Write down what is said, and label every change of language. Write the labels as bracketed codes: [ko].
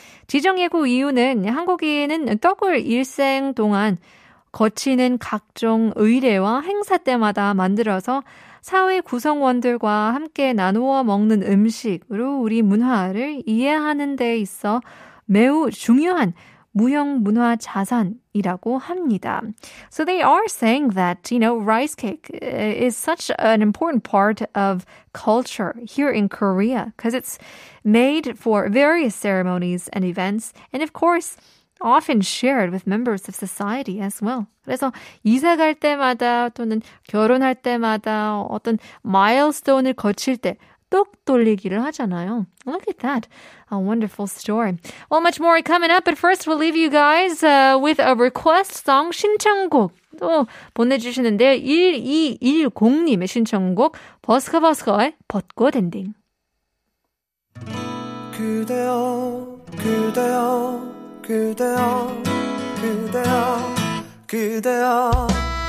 [ko] 지정 예고 이유는 한국인은 떡을 일생 동안 거치는 각종 의례와 행사 때마다 만들어서 사회 구성원들과 함께 나누어 먹는 음식으로 우리 문화를 이해하는 데 있어 매우 중요한 무형 문화 자산이라고 합니다. [en] So they are saying that, you know, rice cake is such an important part of culture here in Korea because it's made for various ceremonies and events and of course often shared with members of society as well. [ko] 그래서 이사 갈 때마다 또는 결혼할 때마다 어떤 마일스톤을 거칠 때 떡 돌리기를 하잖아요. [en] Look at that. A wonderful story. Well, much more coming up, but first we'll leave you guys with a request song [ko] 신청곡. 또 보내주시는데요. 1210님의 신청곡 버스커버스커의 벚꽃 엔딩. 그대여 그대여 그대여 그대여 그대여